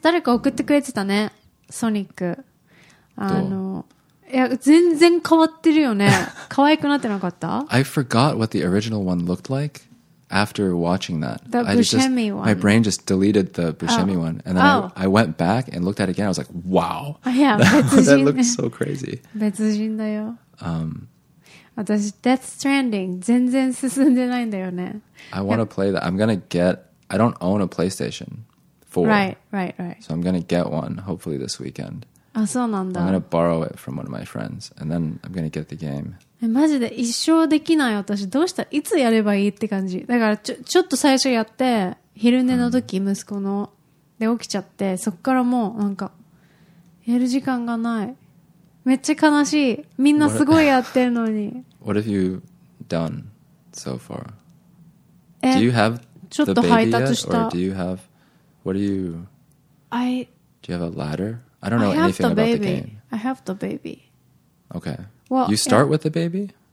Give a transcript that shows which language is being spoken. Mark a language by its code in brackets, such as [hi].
[ja] 誰か送ってくれてたね。 [en] Sonic. [ja] あの、いや、全然変わってるよね。可愛くなってなかった? [en] I forgot what the original one looked like after watching that. The Buscemi one. My brain just deleted the Buscemi one. And then I went back and looked at it again. I was like, wow. That looked so crazy. [ja] 別人だよ。私 Death Stranding 全然進んでないんだよね。 [en] I want to play that. I'm going to get... I don't own a PlayStation 4. Right. So I'm going to get one, hopefully this weekend. [ja] あ、そうなんだ。 [en] I'm going to borrow it from one of my friends. And then I'm going to get the game. [ja] マジで一生できない私。どうしたらいつやればいいって感じ。だからちょっと最初やって、昼寝の時、息子の。で、起きちゃって、そっからもうなんか、やる時間がない。めっちゃ悲しい。みんなすごいやってるのに。 [en] What have you done so far? Do you have the baby yet? Or do you have... Do you have a ladder? I don't know anything about the game. I have the baby. Okay. Well, you start with the baby?